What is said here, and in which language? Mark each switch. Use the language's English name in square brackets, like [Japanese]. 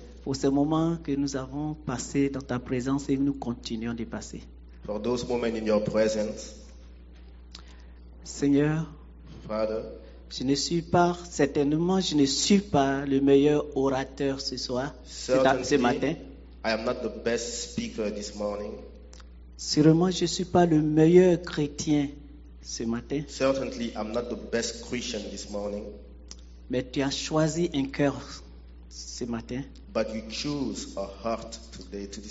[French] Pour ce moment que nous avons passé dans ta présence et que nous continuons de passer. [English] For those moments in your presence. [French] Seigneur, [English] Father, [French] je ne suis pas le meilleur orateur ce soir, ce matin. [English] I am not the best speaker this morning. [French] Sûrement, je ne suis pas le meilleur chrétien ce matin. [English] Certainly, I'm not the best Christian this morning. [French] Mais tu as choisi un cœur ce matin. [English] But you choose a heart today, to this,